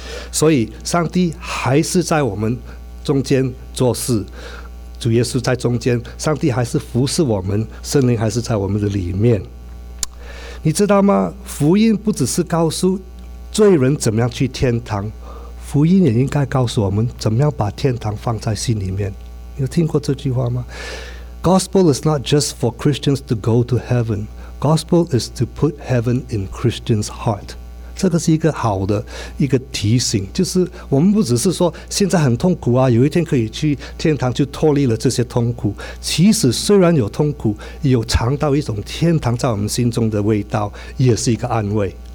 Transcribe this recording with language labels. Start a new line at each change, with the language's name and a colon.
Chinese: 所以上帝还是在我们中间做事，主耶稣在中间，上帝还是服侍我们，圣灵还是在我们的里面。你知道吗？福音不只是告诉罪人怎么样去天堂，福音也应该告诉我们怎么样把天堂放在心里面。你有听过这句话吗？
English: Gospel is not just for Christians to go to heaven. Gospel is to put heaven in Christians' heart.
Chinese: 这个是一个好的一个提醒，就是我们不只是说现在很痛苦啊，有一天可以去天堂就脱离了这些痛苦。其实虽然有痛苦，有尝到一种天堂在我们心中的味道，也是一个安慰。